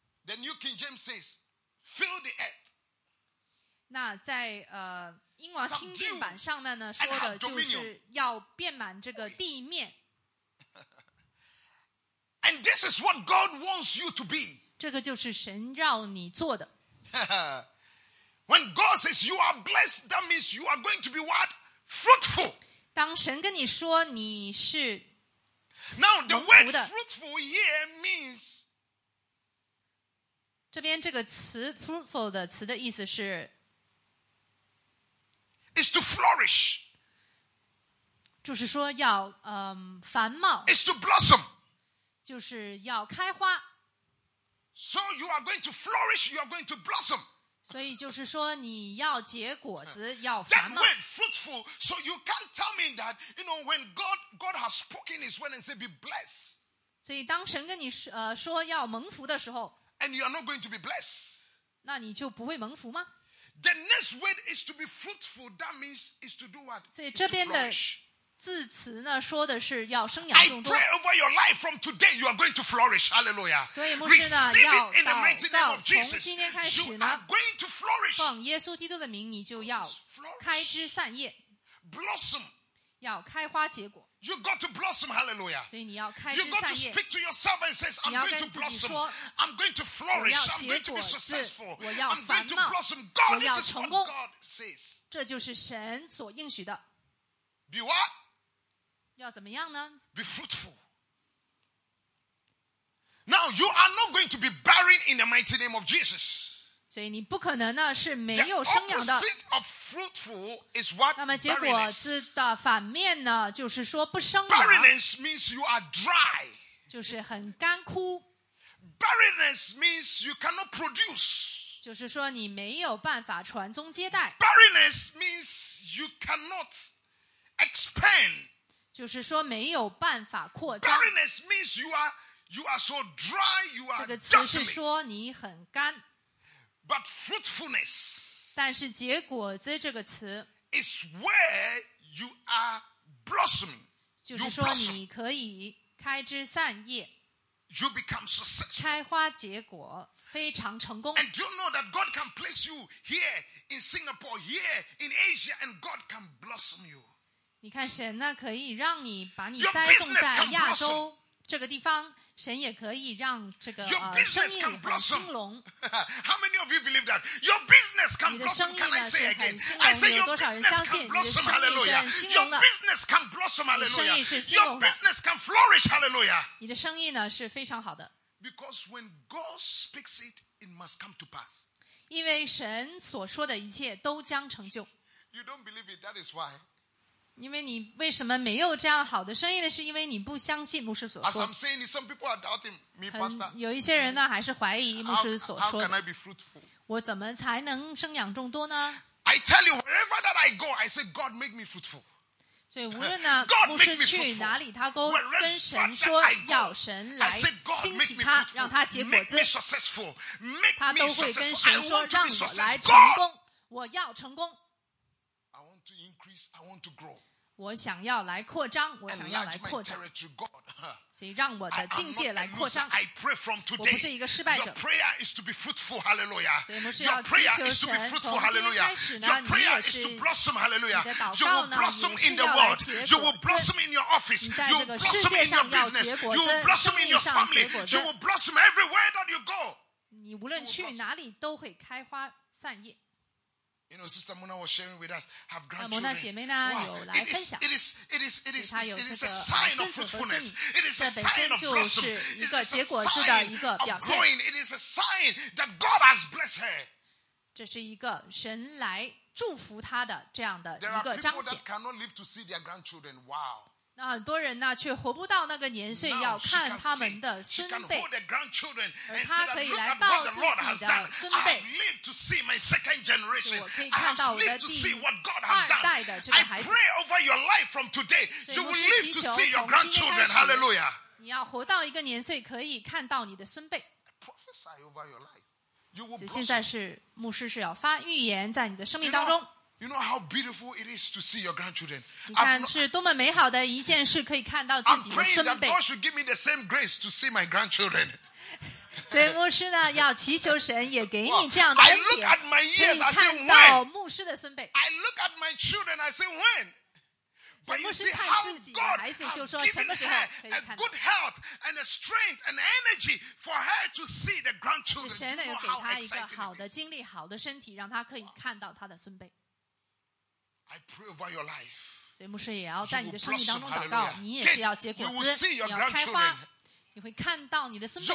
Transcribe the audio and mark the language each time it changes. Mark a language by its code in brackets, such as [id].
[en] The New King James says, fill the earth. [zh] 那在英王新定版上面呢说的就是要遍满这个地面。 [en] And this is what God wants you to be. [zh] 这个就是神要你做的。 [en] When God says you are blessed, that means you are going to be what? Fruitful. [zh] 当神跟你说你是 [en] Now the word fruitful here means [zh] 这边这个词 fruitful 的词的意思是 [en] is to flourish. [zh] 就是说要繁茂。 [en] is to blossom. [zh] 就是要开花。 [en] So you are going to flourish, you are going to blossom. [zh] 所以就是说你要结果子，要繁茂。 [en] That word fruitful, so you can't tell me that, you know, when God has spoken his word and said be blessed. [zh] 所以当神跟你说要蒙福的时候。 [en] And you are not going to be blessed. [zh] 那你就不会蒙福吗？ [en] The next word is to be fruitful. That means is to do what? [zh] 所以这边的字词呢，说的是要生养众多。 [en] I pray over your life from today. You are going to flourish. Hallelujah. [zh] 所以牧师呢，要祷告，从今天开始呢，奉耶稣基督的名，你就要开枝散叶 [en] ，blossom， [zh] 要开花结果。 [en] You got to blossom, hallelujah. [zh] 所以你要开枝散叶。 [en] You got to speak to yourself and says, "I'm going to blossom. I'm going to flourish. I'm going to be successful. [zh] 我要繁茂。 [en] I'm going to blossom. God, this is what God says. [zh] 这就是神所应许的。 [en] Be what? [zh] 要怎么样呢 [en] ？Be fruitful. Now you are not going to be barren in the mighty name of Jesus. [zh] 所以你不可能呢是没有生养的。 [en] The opposite of fruitful is what barrenness. [zh] 那么结果字的反面呢，就是说不生养。 [en] Barrenness means you are dry. [zh] 就是很干枯。 [en] Barrenness means you cannot produce. [zh] 就是说你没有办法传宗接代。 [en] Barrenness means you cannot expand. [zh] 就是说没有办法扩张。 [en] Barrenness means you are so dry. You are desolate. [zh] 这个词是说你很干。 [en] But fruitfulness, [zh] 但是结果子这个词 [en] is where you are blossoming. [zh] 就是说你可以开枝散叶 [en] you become successful. [zh] 开花结果非常成功 [en] And do you know that God can place you here in Singapore, here in Asia, and God can blossom you. [zh] 你看神呢可以让你把你栽种在亚洲这个地方。神也可以让这个生意很兴隆。 [en] How many of you believe that your business can blossom? [zh] 你的生意呢是很兴 [en] 隆。I say your business can blossom. Hallelujah. Your business can blossom. Hallelujah. [zh] 你的生意是兴隆的。 [en] Your business can flourish. Hallelujah. [zh] 你的生意呢是非常好的。 [en] Because when God speaks it, it must come to pass. [zh] 因为神所说的一切都将成就。 [en] You don't believe it. That is why. [zh] 因为你为什么没有这样好的生意呢？是因为你不相信牧师所说。 [en] As I'm saying, some people are doubting me, Pastor. [zh] 有一些人呢还是怀疑牧师所说的。 [en] How can I be fruitful? [zh] 我怎么才能生养众多呢 [en] ？I tell you, wherever that I go, I say, God make me fruitful. [zh] 所以无论呢，牧师去哪里，他都跟神说要神来兴起他，让他结果子。 [en] Make me successful. Make me [zh] successful. 他都会跟神说让我来成功，我要成功。 [en] To increase, I want to grow. [zh] 我想要来扩张，我想要来扩张。所以让我的境界来扩张。 [en] I pray from today. [zh] 我不是一个失败者。 [en] Your prayer is to be fruitful. Hallelujah. [zh] 所以牧师要祈求神，从今天开始呢，你也是。 [en] Your prayer is to blossom. Hallelujah. [zh] 你的祷告呢，你也是要结果子。 [en] You will blossom in your office. [zh] 你在这个世界上要结果子。 [en] You will blossom in your family. You will blossom everywhere that you go. [zh] 你无论去哪里都会开花散叶。 [en] You know, Sister Mona was sharing with us, have grandchildren. [zh] 那摩纳姐妹呢，有来分享。 [en] It is a sign of fruitfulness. It is a sign of blossom. [zh] 一个结果子的一个表现。 [en] It is a sign that God has blessed her. [zh] 这是一个神来祝福她的这样的一个彰显。 [en] There are people that cannot live to see their grandchildren. Wow. [zh] 那很多人呢，却活不到那个年岁要看他们的孙辈。 [en] She can hold their grandchildren and say, "Look at what the Lord has done." I have lived to see my second generation. I have lived to see what God has done. I pray over your life from today. You will live to see your grandchildren. Hallelujah. [zh] 你要活到一个年岁，可以看到你的孙辈。 [en] Prophesy over your life. You will blossom. [zh] 现在是牧师是要发预言在你的生命当中。 [en] You know how beautiful it is to see your grandchildren. [zh] 你看是多么美好的一件事，可以看到自己的孙辈。 [en] I'm praying that God should give me the same grace to see my grandchildren. [zh] 所以牧师呢，要祈求神也给你这样的恩典。 [en] I look at my years, I say when. [zh] 可以看到牧师的孙辈。 [en] I look at my children, I say when. [zh] 所以牧师看自己的孩子，就说什么时候可以看到。 [en] A good health and a strength and energy for her to see the grandchildren. [zh] 神呢，又给他一个好的精力、好的身体，让他可以看到他的孙辈。 [en] I pray over your life. [zh] 所以牧师也要在你的生命当中祷告，你也是要结果子，你要开花，你会看到你的孙辈。